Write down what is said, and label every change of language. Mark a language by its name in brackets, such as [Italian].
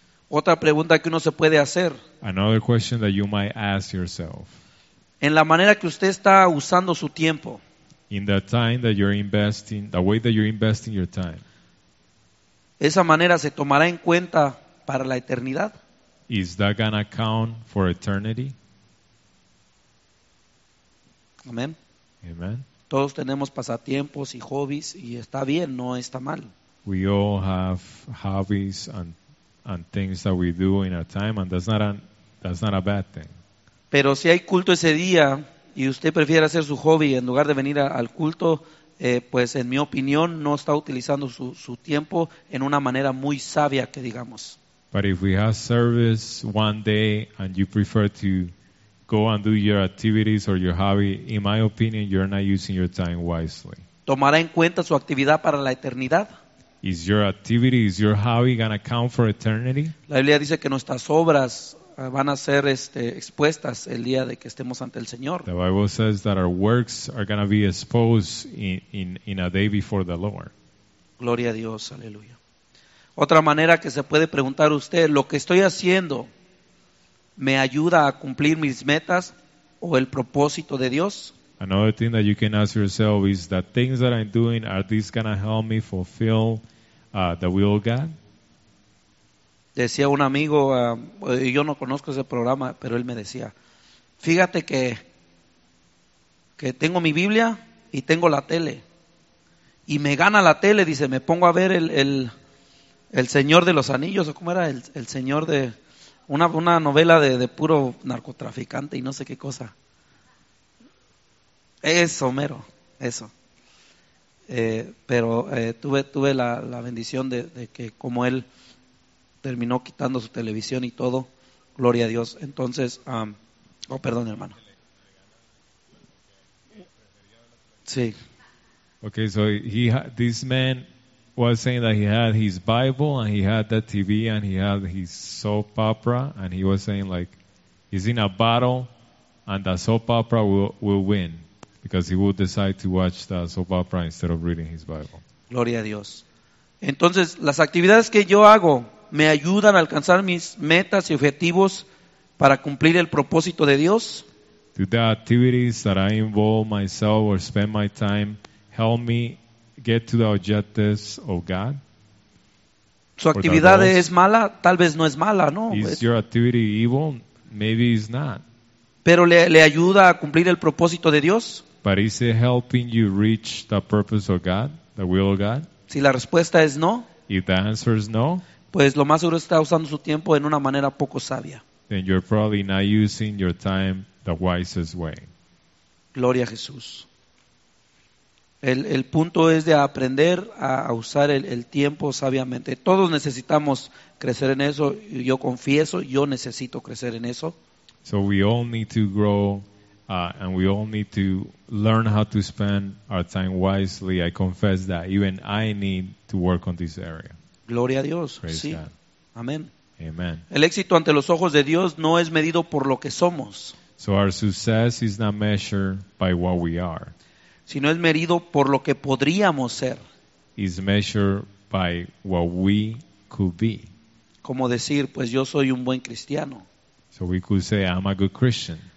[Spanish] Otra pregunta que uno se puede hacer. [English] Another question that you might ask yourself. [Spanish] En la manera que usted está usando su tiempo. [English] In the time that you're investing, the way that you're investing your time. [Spanish] ¿Esa manera se tomará en cuenta para la eternidad? [English] Is that gonna count for eternity? [Spanish] Amen. [English] Amen. [Spanish] Todos tenemos pasatiempos y hobbies y está bien, no está mal. [English] We all have hobbies and things that we do in our time, and that's not a bad thing. [Spanish] Pero si hay culto ese día y usted prefiere hacer su hobby en lugar de venir al culto, pues en mi opinión no está utilizando su tiempo en una manera muy sabia, que digamos. [English] But if we have service one day and you prefer to go and do your activities or your hobby, in my opinion, you're not using your time wisely. [Spanish] ¿Tomará en cuenta su actividad para la eternidad? [English] Is your activity, is your hobby going to count for eternity? [Spanish] La Biblia dice que nuestras obras van a ser expuestas el día de que estemos ante el Señor. [English] The Bible says that our works are going to be exposed in a day before the Lord. [Spanish] Gloria a Dios, aleluya. Otra manera que se puede preguntar usted, ¿lo que estoy haciendo me ayuda a cumplir mis metas o el propósito de Dios? [English] Another thing that you can ask yourself is that things that I'm doing, are these going to help me fulfill the will of God? [Spanish] Decía un amigo, yo no conozco ese programa, pero él me decía, fíjate que tengo mi Biblia y tengo la tele. Y me gana la tele, dice, me pongo a ver el Señor de los Anillos, o cómo era, el Señor de... Una novela de puro narcotraficante y no sé qué cosa. Eso, mero, eso. Tuve la bendición de que como él terminó quitando su televisión y todo, gloria a Dios. Entonces, perdón, hermano. Sí. [English] Okay, so this man was saying that he had his Bible and he had that TV and he had his soap opera, and he was saying like he's in a battle and the soap opera will win because he will decide to watch the soap opera instead of reading his Bible. [Spanish] Gloria a Dios. Entonces, las actividades que yo hago me ayudan a alcanzar mis metas y objetivos para cumplir el propósito de Dios. [English] Do the activities that I involve myself or spend my time help me get to the objectives of God? [Spanish] Su actividad es mala, tal vez no es mala, ¿no? [English] Is your activity evil? Maybe it's not. [Spanish] Pero le ayuda a cumplir el propósito de Dios. [English] But is it helping you reach the purpose of God, the will of God? [Spanish] Si la respuesta es no, [English] if the answer is no, [Spanish] pues lo más seguro está usando su tiempo en una manera poco sabia. [English] Then you're probably not using your time the wisest way. [Spanish] Gloria a Jesús. El punto es de aprender a usar el tiempo sabiamente. Todos necesitamos crecer en eso. Yo confieso, yo necesito crecer en eso. [English] So we all need to grow and we all need to learn how to spend our time wisely. I confess that even I need to work on this area. [Spanish] Gloria a Dios. [English] Praise [Spanish] sí. [English] God. [Spanish] Amén. [English] Amen. [Spanish] El éxito ante los ojos de Dios no es medido por lo que somos. [English] So our success is not measured by what we are. [Spanish] Sino es medido por lo que podríamos ser. [English] Is measured by what we could be. [Spanish] Como decir, pues yo soy un buen cristiano. [English] So we could say I'm a good Christian.